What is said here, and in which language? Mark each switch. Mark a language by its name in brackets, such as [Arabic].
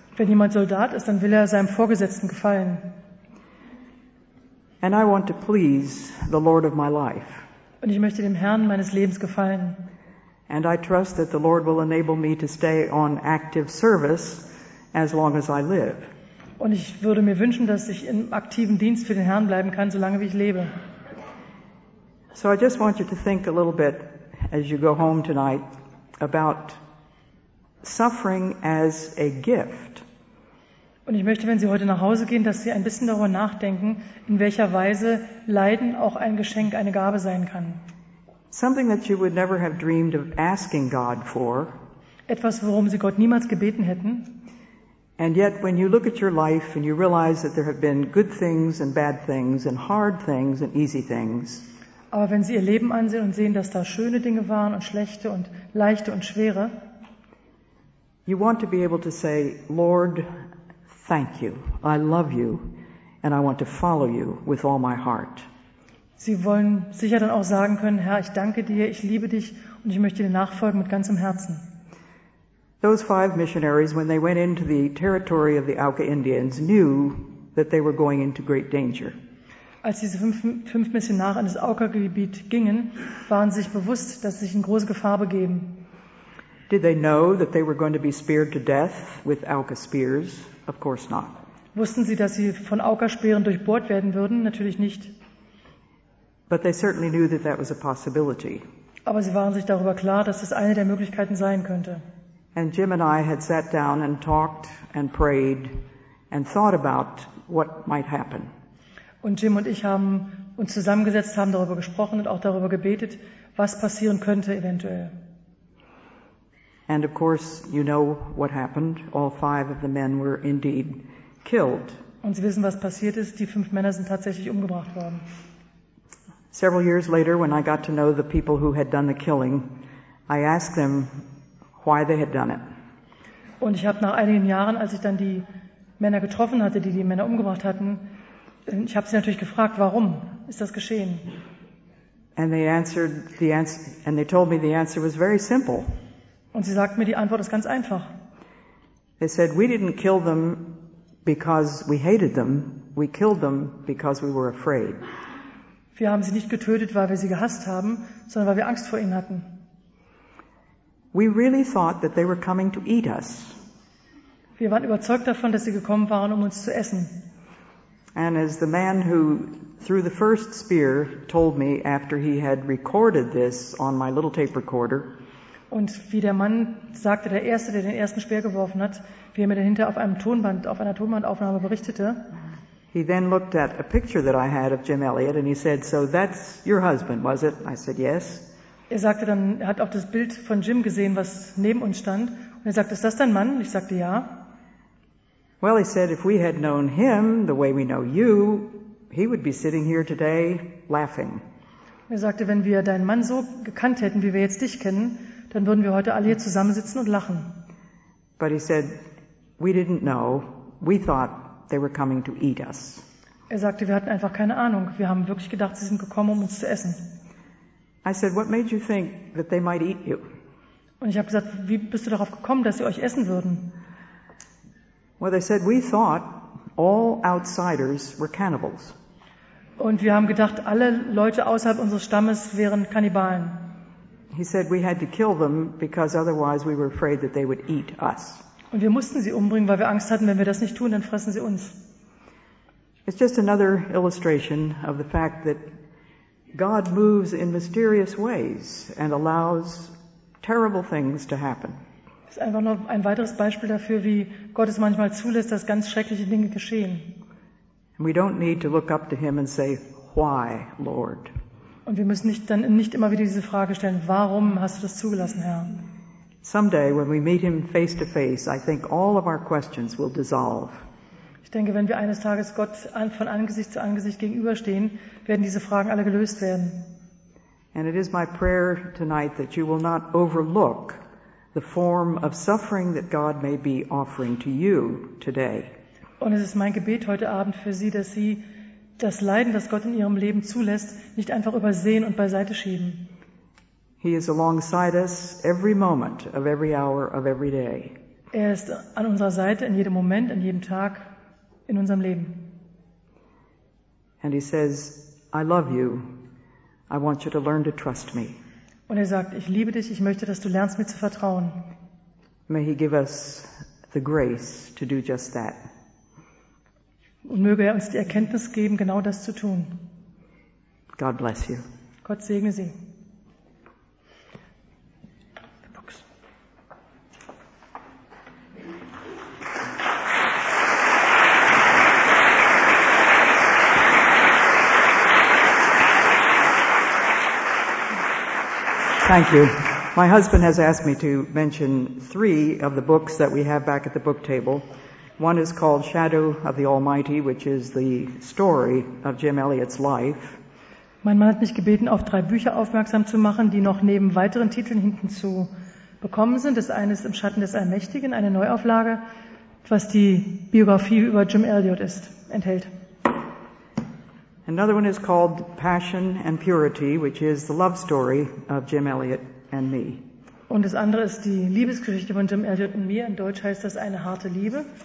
[German] Wenn jemand Soldat ist, dann will er seinem Vorgesetzten gefallen. [English] And I want to please the Lord of my life. [German] Und ich möchte dem Herrn meines Lebens gefallen. [English] And I trust that the Lord will enable me to stay on active service as long as I live. [German] Und ich würde mir wünschen, dass ich im aktiven Dienst für den Herrn bleiben kann, solange wie ich lebe. [English] So I just want you to think a little bit as you go home tonight about suffering as a gift. [German] Und ich möchte, wenn Sie heute nach Hause gehen, dass Sie ein bisschen darüber nachdenken, in welcher Weise Leiden auch ein Geschenk, eine Gabe sein kann. [English] Something that you would never have dreamed of asking God for. [German] Etwas, worum Sie Gott niemals gebeten hätten. [English] And yet when you look at your life and you realize that there have been good things and bad things and hard things and easy things. [German] Aber wenn Sie Ihr Leben ansehen und sehen, dass da schöne Dinge waren und schlechte und leichte und schwere. [English] You want to be able to say, Lord, thank you. I love you and I want to follow you with all my heart. [German] Sie wollen sicher dann auch sagen können, Herr, ich danke dir, ich liebe dich und ich möchte dir nachfolgen mit ganzem Herzen. [English] Those five missionaries, when they went into the territory of the Auca Indians, knew that they were going into great danger. [German] Als diese fünf Missionare in das Auca-Gebiet gingen, waren sie sich bewusst, dass sie sich in große Gefahr begeben. [English] Did they know that they were going to be speared to death with Auca spears? Of course not. [German] Wussten sie, dass sie von Auca-Speeren durchbohrt werden würden? Natürlich nicht. [English] But they certainly knew that that was a possibility. [German] Aber sie waren sich darüber klar, dass das eine der Möglichkeiten sein könnte. [English] And Jim and I had sat down and talked and prayed and thought about what might happen. [German] Und Jim und ich haben uns zusammengesetzt, haben darüber gesprochen und auch darüber gebetet, was passieren könnte eventuell. [English] And of course, you know what happened. All five of the men were indeed killed. [German] Und Sie wissen, was passiert ist. Die fünf Männer sind tatsächlich umgebracht worden. [English] Several years later, when I got to know the people who had done the killing, I asked them why they had done it. [German] Und ich habe nach einigen Jahren, als ich dann die Männer getroffen hatte, die die Männer umgebracht hatten, ich habe sie natürlich gefragt, warum ist das geschehen? [English] And they answered the answer, and they told me the answer was very simple. [German] Und sie sagten mir, die Antwort ist ganz einfach. [English] They said, we didn't kill them because we hated them. We killed them because we were afraid. [German] Wir haben sie nicht getötet, weil wir sie gehasst haben, sondern weil wir Angst vor ihnen hatten. [English] We really thought that they were coming to eat us. [German] Wir waren überzeugt davon, dass sie gekommen waren, um uns zu essen. [English] And as the man who threw the first spear told me after he had recorded this on my little tape recorder. [German] Und wie der Mann sagte, der Erste, der den ersten Speer geworfen hat, wie er mir dahinter auf einem Tonband, auf einer Tonbandaufnahme berichtete. [English] He then looked at a picture that I had of Jim Elliot and he said, so that's your husband, was it? I said, yes. [German] Er sagte dann, er hat auch das Bild von Jim gesehen, was neben uns stand. Und er sagte, ist das dein Mann? Ich sagte, ja. [English] Well, he said, if we had known him the way we know you, he would be sitting here today laughing. [German] Er sagte, wenn wir deinen Mann so gekannt hätten, wie wir jetzt dich kennen, dann würden wir heute alle hier zusammensitzen und lachen. [English] But he said, we didn't know. We thought they were coming to eat us. [German] Er sagte, wir hatten einfach keine Ahnung. Wir haben wirklich gedacht, sie sind gekommen, um uns zu essen. [English] I said, what made you think that they might eat you? [German] Und ich habe gesagt, wie bist du darauf gekommen, dass sie euch essen würden? [English] Well, they said, we thought all outsiders were cannibals. [German] Und wir haben gedacht, alle Leute außerhalb unseres Stammes wären Kannibalen. [English] He said we had to kill them because otherwise we were afraid that they would eat us. [German] Und wir mussten sie umbringen, weil wir Angst hatten, wenn wir das nicht tun, dann fressen sie uns. [English] It's just another illustration of the fact that God moves in mysterious ways and allows terrible things to happen. [German] Es ist einfach nur ein weiteres Beispiel dafür, wie Gott es manchmal zulässt, dass ganz schreckliche Dinge geschehen. [English] And we don't need to look up to him and say, "Why, Lord?" [German] Und wir müssen nicht, dann nicht immer wieder diese Frage stellen, warum hast du das zugelassen, Herr? [English] Someday, when we meet him face to face, I think all of our questions will dissolve. [German] Ich denke, wenn wir eines Tages Gott von Angesicht zu Angesicht gegenüberstehen, werden diese Fragen alle gelöst werden. [English] And it is my prayer tonight that you will not overlook the form of suffering that God may be offering to you today. [German] Und es ist mein Gebet heute Abend für Sie, dass Sie das Leiden, das Gott in ihrem Leben zulässt, nicht einfach übersehen und beiseite schieben. [English] He is alongside us every moment of every hour of every day. [German] Er ist an unserer Seite in jedem Moment, an jedem Tag in unserem Leben. [English] And he says, I love you. I want you to learn to trust me. [German] Und er sagt, ich liebe dich, ich möchte, dass du lernst, mir zu vertrauen. [English] May he give us the grace to do just that. [German] Und möge er uns die Erkenntnis geben, genau das zu tun. [English] God bless you. [German] Gott segne Sie. [English] Thank you. My husband has asked me to mention three of the books that we have back at the book table. One is called Shadow of the Almighty, which is the story of Jim Elliot's life. [German] Mein Mann hat mich gebeten, auf drei Bücher aufmerksam zu machen, die noch neben weiteren Titeln hinten zu bekommen sind. Das eine ist Im Schatten des Allmächtigen, eine Neuauflage, was die Biografie über Jim Elliot ist, enthält. [English] Another one is called Passion and Purity, which is the love story of Jim Elliot and me. [German] Und das andere ist die Liebesgeschichte von Jim Elliot und mir. In Deutsch heißt das Eine harte Liebe.